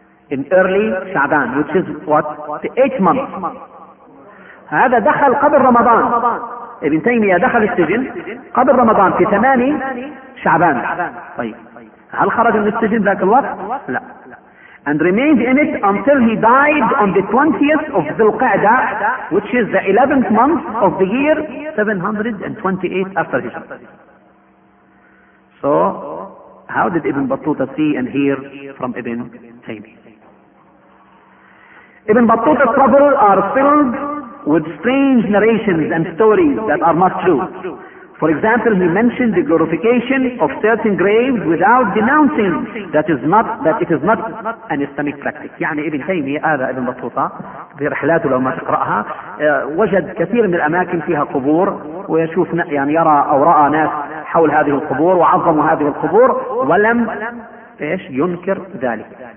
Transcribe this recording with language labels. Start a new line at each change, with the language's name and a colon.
English: In early Sha'ban, which is what? The 8th month.
Arabic: هذا دخل قبل رمضان. Ibn Taymiyyah دخل السجن قبل رمضان في 8 شعبان. طيب. هل خرج من السجن ذاك الوقت؟ لا.
English: And remained in it until he died on the 20th of Dhul Qa'dah, which is the 11th month of the year 728 after Hijrah. So, how did Ibn Battuta see and hear from Ibn Taymiyyah? Ibn Battuta's trouble are filled with strange narrations and stories that are not true. For example, he mentioned the glorification of certain graves without denouncing that is not that it is not an Islamic practice.
Arabic: يعني ابن تيمية هذا ابن بطوطة في رحلاته لو ما تقرأها وجد كثير من الأماكن فيها قبور ويشوف يعني يرى أو رأى ناس حول هذه القبور وعظموا هذه القبور ولم إيش ينكر ذلك.